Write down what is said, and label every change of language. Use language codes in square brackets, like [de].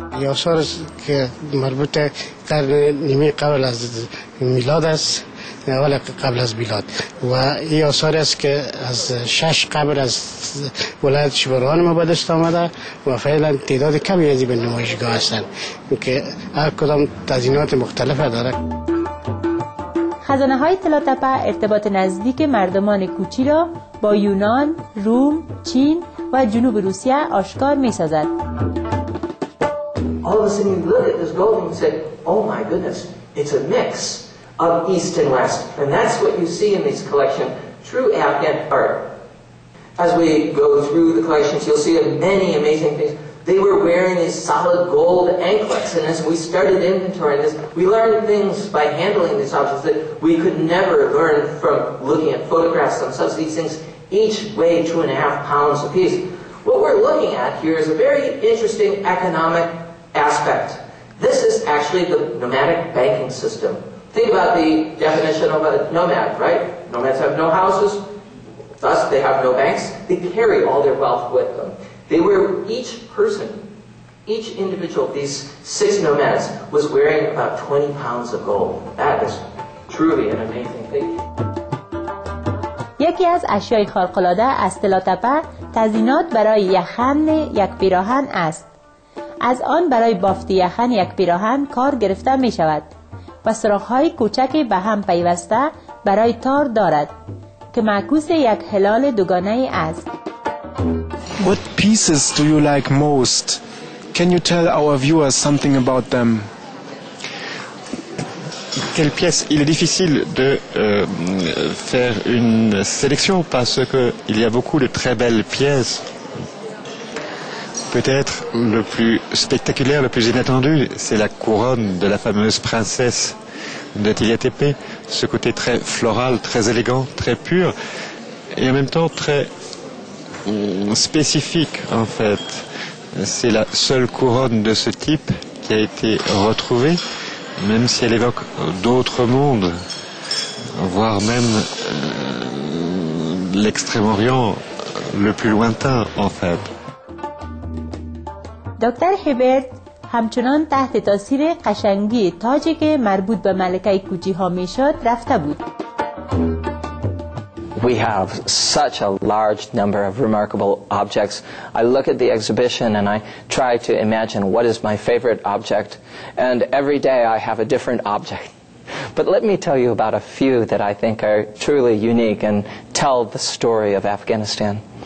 [fa] آثار که مربوط در نیمه قبل از میلاد است، اول قبل از میلاد، و این آثار است که از 6 قبر از ولایت شبرغان ما به دست آمده و فعلا تعداد کمی از این نمایشگاه هستند که هر کدام تزیینات مختلف دارد. خزانه های طلاتپه ارتباط نزدیک مردمان کوچی را با یونان، روم، چین و جنوب روسیه آشکار می سازد. [en] All of a sudden you look at this gold and you say, oh my goodness, it's a mix of East and West. And that's what you see in this collection, true Afghan art. As we go through the collections, you'll see many amazing things. They were wearing these solid gold anklets. And as we started inventorying this, we learned things by handling these objects that we could never learn from looking at photographs themselves. These things each weigh 2.5 pounds apiece. What we're looking at here is a very interesting economic aspect. This is actually the nomadic banking system. Think about the definition of a nomad, right? Nomads have no houses, thus they have no banks. They carry all their wealth with them. They were, each person, each individual of these six nomads was wearing about 20 pounds of gold. That is truly an amazing thing. [fa] یکی از اشیای خارق‌العاده از طلاتپه تزیینات برای یخن یک پیراهن است. از آن برای بافت یخن یک پیراهن کار گرفته می شود و سوراخ‌های کوچک به هم پیوسته برای تار دارد که معکوس یک هلال دوگانه است. [en] What pieces do you like most? Can you tell our viewers something about them? [fr] Quelle pièce? Il est difficile de faire une sélection parce que il y a beaucoup de très belles pièces. Peut-être le plus spectaculaire, le plus inattendu, c'est la couronne de la fameuse princesse de Tilia Tepe. Ce côté très floral, très élégant, très pur, et en même temps très spécifique en fait. C'est la seule couronne de ce type qui a été retrouvée, même si elle évoque d'autres mondes, voire même l'Extrême-Orient le plus lointain en fait. [fa] دکتر هیبرت همچنان تحت تاثیر قشنگی تاجی که مربوط به ملکه کوچی ها میشد رفته بود. [en] We have such a large number of remarkable objects. I look at the exhibition and I try to imagine what is my favorite object, and every day I have a different object. But let me tell you about a few that I think are truly unique and tell the story of Afghanistan.